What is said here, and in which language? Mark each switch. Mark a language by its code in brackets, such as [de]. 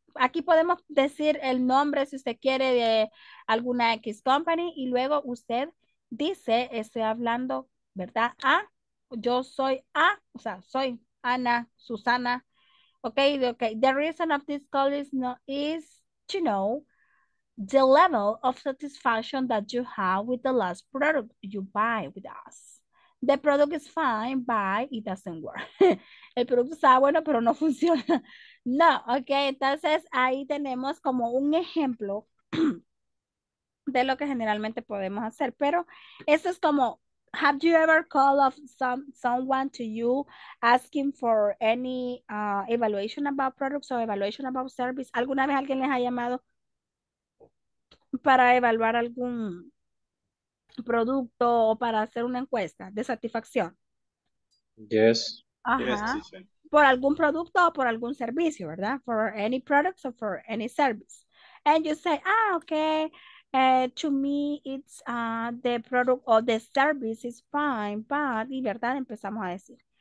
[es] Aquí podemos decir el nombre, si usted quiere, de alguna X company, y luego usted dice, estoy hablando, ¿verdad? Soy Ana, Susana. Okay. [en] The reason of this call is to know the level of satisfaction that you have with the last product you buy with us. The product is fine, but it doesn't work. [es] El producto está bueno, pero no funciona. No, ok. Entonces, ahí tenemos como un ejemplo de lo que generalmente podemos hacer. Pero esto es como, [en] have you ever called of someone to you asking for any evaluation about products or evaluation about service? [es] ¿Alguna vez alguien les ha llamado para evaluar algún producto o para hacer una encuesta de satisfacción? [en] Yes. Ajá. Yes. [es] Por algún producto o por algún servicio, ¿verdad? [en] For any products or for any service. And you say, to me it's the product or the service is fine, but, [es] y ¿verdad? Empezamos a decir.